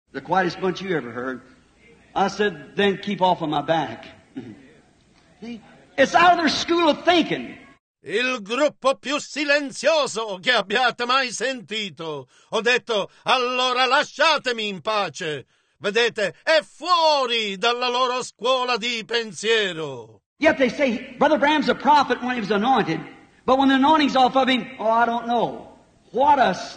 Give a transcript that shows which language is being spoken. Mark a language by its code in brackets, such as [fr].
[en] The quietest bunch you ever heard. I said, then keep off of my back. It's out of their school of thinking. [it] Il gruppo più silenzioso che abbiate mai sentito. Ho detto, allora lasciatemi in pace. Vedete, è fuori dalla loro scuola di pensiero. [en] Yet they say, Brother Branham's a prophet when he was anointed. But when the anointing's off of him, oh, I don't know. What a...